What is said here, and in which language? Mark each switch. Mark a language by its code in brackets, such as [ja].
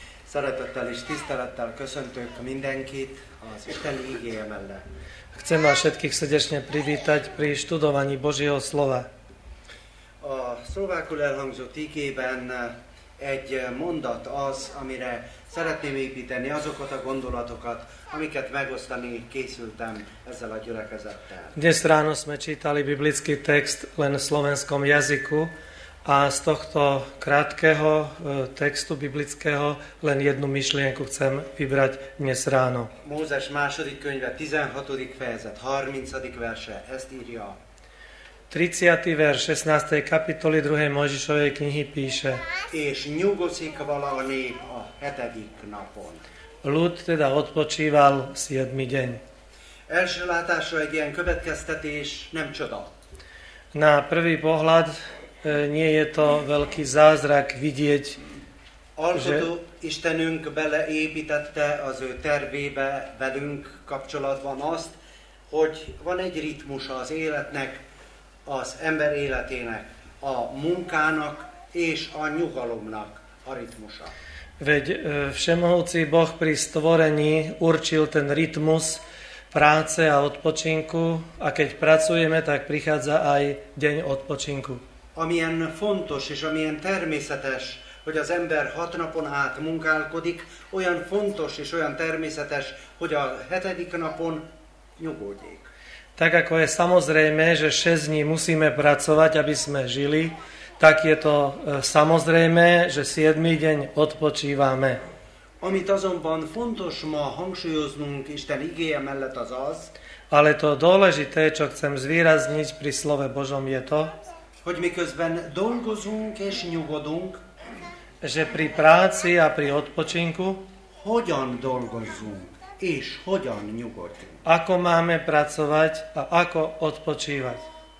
[hu] Szeretettel és tisztelettel köszöntök mindenkit az Isteni igéje mellett. [sk] Chcem vás všetkých srdečne privítať pri študovaní Božieho slova. [hu] A szlovákul elhangzott igében egy mondat az, amire szeretném építeni azokat a gondolatokat, amiket megosztani készültem ezzel a gyülekezettel. [sk] Dnes ráno sme čítali biblický text len v slovenskom jazyku, a z tohto krátkeho textu biblického len jednu myšlienku chcem vybrať dnes ráno. [hu] Mózes második könyve 16. fejezet 30. verse ezt írja. [sk] 30. vers 16. kapitoly 2. Mózesovej knihy píše: [hu] és nyugodik vala a nép a hetedik napon. [sk] Ľud teda odpočíval 7. deň. [hu] Első látásra egy ilyen következtetés nem csoda. [sk] Na prvý pohľad nie je to veľký zázrak vidieť, [hu] že Istenünk beleépítette az ő tervébe velünk kapcsolatban azt, hogy van egy ritmusa az életnek, az ember életének, a munkának és a nyugalomnak a ritmusa. [sk] Veď všemohúci Boh pri stvorení určil ten rytmus práce a odpočinku, a keď pracujeme, tak prichádza aj deň odpočinku. [hu] Amilyen fontos és amilyen természetes, hogy az ember 6 napon át munkálkodik, olyan fontos és olyan természetes, hogy a 7. napon nyugodjék. [sk] Tak ako je samozrejme, že 6 dní musíme pracovať, aby sme žili, tak je to samozrejme, že 7. deň odpočívame. [hu] Amit azonban fontos ma hangsúlyoznunk Isten igéje mellett az az, [sk] ale to dôležité, čo chcem zvýrazniť pri slove Božom je to, [hu] hogy miközben dolgozunk és nyugodunk, [sk] že pri práci a pri odpočinku, [hu] hogyan dolgozunk és hogyan nyugodunk. [sk] Ako máme pracovať a ako odpočívať.